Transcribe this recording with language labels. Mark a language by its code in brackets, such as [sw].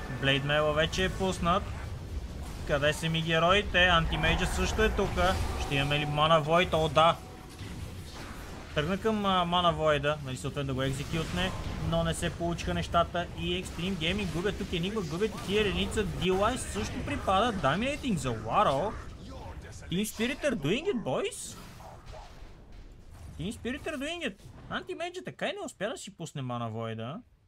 [bg] Blade Mail вече е пуснат. Къде са ми героите? Антимейджа също е тука. Ще имаме ли Mana Void? О, да. Тръгна към Mana Void-а, нали съответно да го екзекютне, но не се получиха нещата. И Extreme Gaming губят тук Enigma, губят и тия реница. D-Li също припада. [en] Dominating [bg] за [en] Waro. Team Spirit are doing it, boys. Team Spirit are doing it. [bg] Anti-Mage така и не успя да си пусне мана Войда.